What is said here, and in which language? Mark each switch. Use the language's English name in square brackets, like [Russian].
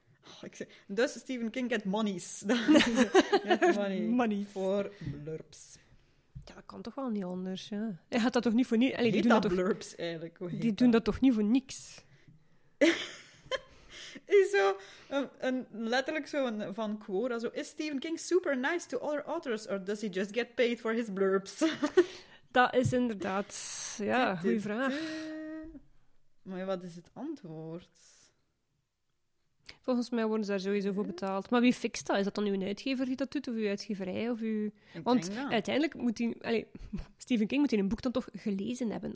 [Dutch] Oh, ik zei, dus Stephen King [English] get monies. Get money. [Dutch] Voor blurps. Ja, dat kan toch wel niet anders, ja. Hij had dat toch niet voor niets... Heet die doen dat toch... blurps eigenlijk? Die doen dat toch niet voor niks? Is zo een letterlijk zo een van quote. [English] Also, is Stephen King super nice to other authors or does he just get paid for his blurbs? [Dutch] Dat is inderdaad, ja, goede vraag. Maar wat is het antwoord? Volgens mij worden ze daar sowieso voor betaald. Maar wie fixt dat? Is dat dan uw uitgever die dat doet? Of uw uitgeverij? Of uw... Want uiteindelijk moet hij... Stephen King moet hij een boek dan toch gelezen hebben.